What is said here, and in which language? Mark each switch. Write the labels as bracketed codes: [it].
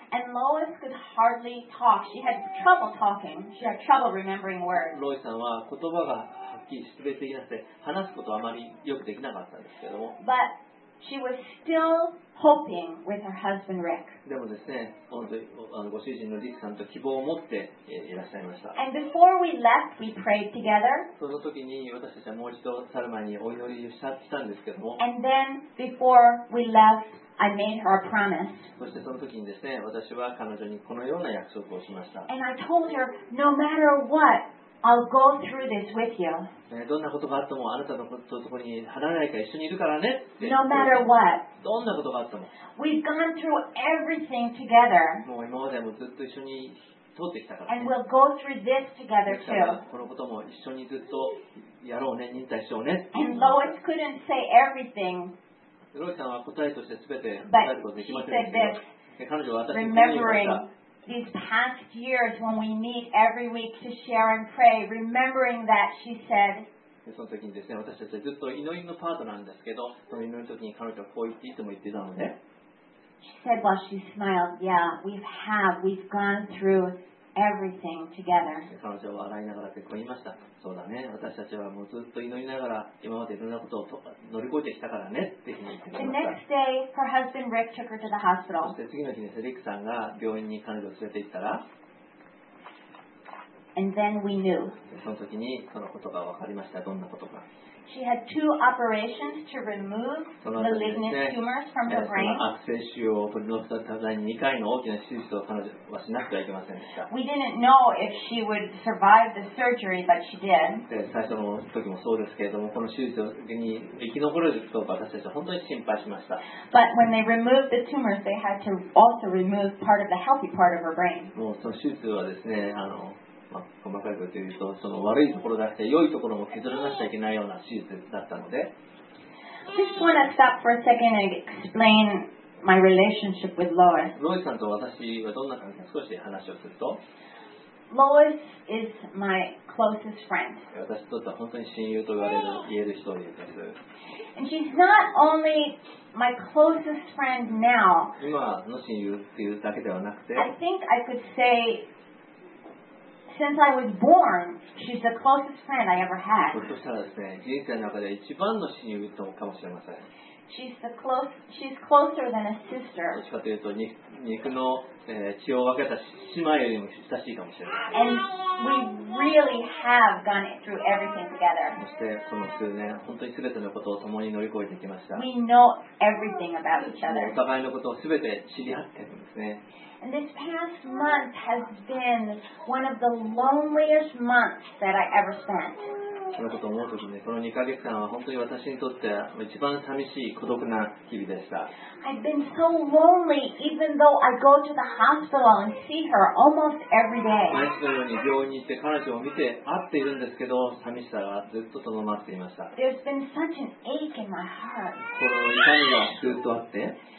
[en] And Lois could hardly talk. She had trouble talking. She had trouble remembering words. [ja] ロイさんは言葉がはっきり識別できなくて話すことはあまりよくできなかったんですけども。 [en] But she was still hoping with her husband Rick. [ja] でもですね、本当にご主人のリックさんと希望を持っていらっしゃいました。 [en] And before we left, we prayed together. [ja] その時に私たちはもう一度去る前にお祈りしたんですけども。 [en] And then before we left, I made her a promise. [ja] そしてその時にですね、私は彼女にこのような約束をしました。 [en] And I told her, no matter what,I'll go through this with you. [ja] どんなことがあってもあなたのところに離れないから一緒にいるからね。 [en] No matter what. [ja] どんなことがあっても。 [en] We've gone through everything together. [ja] もう今までもずっと一緒に通ってきたから、ね。 [en] And we'll go through this together too. [ja] このことも一緒にずっとやろうね、忍耐しようね。 [en] And Lois couldn't say everything. [ja] ロイさんは答えとしてすべて答えることができませんでした。彼女は私に言いました。 [en] These past years when we meet every week to share and pray, remembering that she said, [ja] その時にですね、私たちはずっと祈りのパートナーなんですけど、その祈りの時に彼女はこう言っていつも言ってたので、 [en] She said while she smiled, yeah, we've gone through everything together. [ja] 彼女は笑いながらってこう言いました。そうだね、私たちはもうずっと祈りながら今までいろんなことを乗り越えてきたからねって言ってました。 [en] The next day, her husband Rick took her to the hospital. [ja] そして次の日にリックさんが病院に彼女を連れて行ったら、 [en] And then we knew. [ja] その時にそのことが分かりました。どんなことか。 [en] She had two operations to remove malignant tumors from her brain. [ja] 悪性腫瘍を取り除くために2回の大きな手術を彼女はしなくてはいけませんでした。 [en] We didn't know if she would survive the surgery, but she did. [ja] 最初の時もそうですけれども、この手術に生き残れるかどうか私たちは本当に心配しました。 [en] But when they removed the tumors, they had to also remove part of the healthy part of her brain. [ja] もうその手術はですね、まあ、細かいこと言うとその悪いところだって良いところも削らなきゃいけないような手術だったので、 [en] Just want to stop for a second and explain my relationship with Lois. [ja] Lois さんと私はどんな関係か少し話をすると。 [en] Lois is my closest friend. [ja] 私とは本当に親友と言える人です。 [en] And she's not only my closest friend now. [ja] 今の親友っていうだけではなくて。 [en] I think I could say. Since I was born, she's the closest friend I ever had. [ja] ひょっとしたらですね、人生の中で一番の親友とかもしれません。 [en] She's closer than a sister. [ja] どっちかというと、肉の血を分けた姉妹よりも親しいかもしれません。 [en] And we really have gone through everything together. [ja] そしてその数年、本当に全てのことを共に乗り越えてきました。 [en] We know everything about each other. [ja] お互いのことを全て知り合っているんですね。 [en] And this past month has been one of the loneliest months that I ever spent. [ja] このことを思うときね、この2ヶ月間は本当に私にとっては一番寂しい孤独な日々でした。 [en] I've been so lonely even though I go to the hospital and see her almost every day. [ja] 毎日のように病院に行って彼女を見て会っているんですけど、寂しさがずっととどまっていました。 [en] There's been such an ache in my heart. [ja] 心の痛みがずっとあって。